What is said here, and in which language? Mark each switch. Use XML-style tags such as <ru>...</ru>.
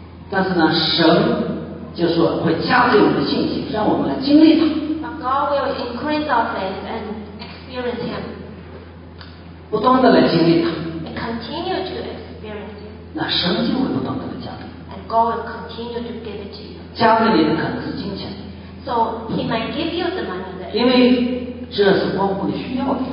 <zh>但是呢，神就说会加给我们的信心，让我们来经历他。</zh> <en>But God will increase our faith and experience Him.</en> <zh>不断的来经历他。</zh> <en>And continue to experience Him.</en> <zh>那神就会不断的来加给。</zh> <en>And God will continue to give it to you.</en> <zh>加给你的可能是金钱。</zh> <en>So He might give you the money that.</en> <zh>因为这是关乎你需要的。</zh>